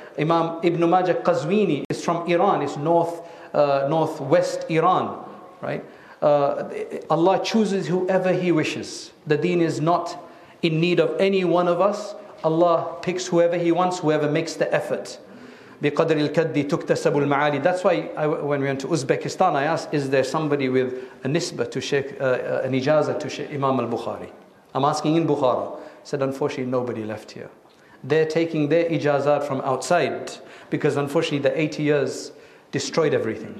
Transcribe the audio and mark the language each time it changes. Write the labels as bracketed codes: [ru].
[en] Imam Ibn Majah Qazwini is from Iran. It's northwest Iran, right? Allah chooses whoever he wishes. The deen is not in need of any one of us. Allah picks whoever he wants, whoever makes the effort. [ar] بقدر الكد تكتسب المعالي. [en] That's why when we went to Uzbekistan, I asked, is there somebody with a nisba to Sheikh, an ijaza to Sheikh Imam al-Bukhari? I'm asking in Bukhara. I said, unfortunately, nobody left here. They're taking their ijazat from outside because unfortunately the 80 years destroyed everything.